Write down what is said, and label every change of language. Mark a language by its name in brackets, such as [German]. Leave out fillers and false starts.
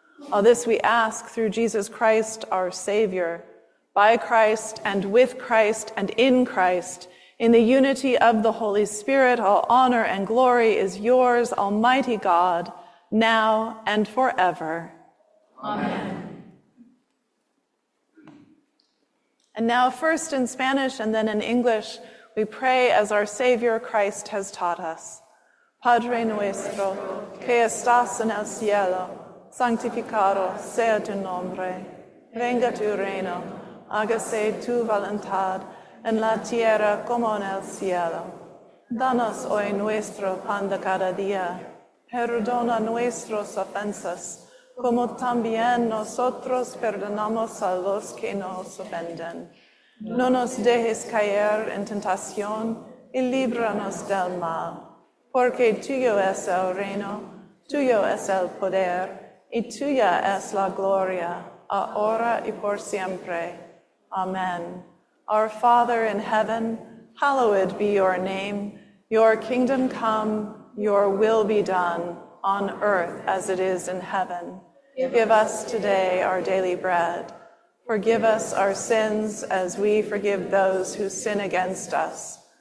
[English] All this we ask through Jesus Christ, our Savior, by Christ and with Christ and in Christ, in the unity of the Holy Spirit, all honor and glory is yours, Almighty God, now and forever. Amen. And now, first in Spanish and then in English, we pray as our Savior Christ has taught us. [Spanish] Padre nuestro, que estás en el cielo, santificado sea tu nombre, venga tu reino, hágase tu voluntad en la tierra como en el cielo. Danos hoy nuestro pan de cada día, perdona nuestras ofensas, como también nosotros perdonamos a los que nos ofenden. No nos dejes caer en tentación y líbranos del mal. Porque tuyo es el reino, tuyo es el poder, y tuya es la gloria, ahora y por siempre. [English] Amen. Our Father in heaven, hallowed be your name. Your kingdom come, your will be done, on earth as it is in heaven. Give us today our daily bread. Forgive us our sins as we forgive those who sin against us.